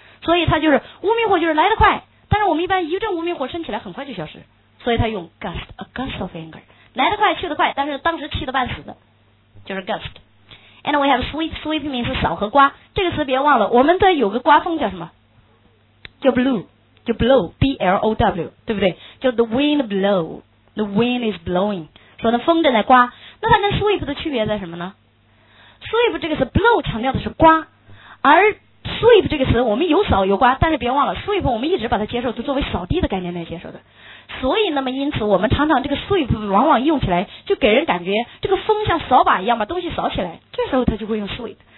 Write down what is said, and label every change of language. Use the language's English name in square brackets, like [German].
[Chinese] 所以它就是无名火，就是来得快，但是我们一般一阵无名火升起来很快就消失，所以它用 gust， [English] a gust of anger， [Chinese] 来得快去得快，但是当时气得半死的，就是 gust。 [English] And we have sweep， [Chinese] sweep 名词扫和刮，这个词别忘了，我们的有个刮风叫什么，叫 blue，就 blow B-L-O-W， 对不对？ [English] 就 the wind blow， the wind is blowing， [Chinese] 说那风正在刮。那它跟 sweep 的区别在什么呢？sweep 这个词 blow 强调的是刮，而 sweep 这个词我们有扫有刮，但是别忘了 sweep 我们一直把它接受就作为扫地的概念来接受的。所以那么因此我们常常这个 sweep 往往用起来就给人感觉这个风像扫把一样把东西扫起来，这时候它就会用 sweep。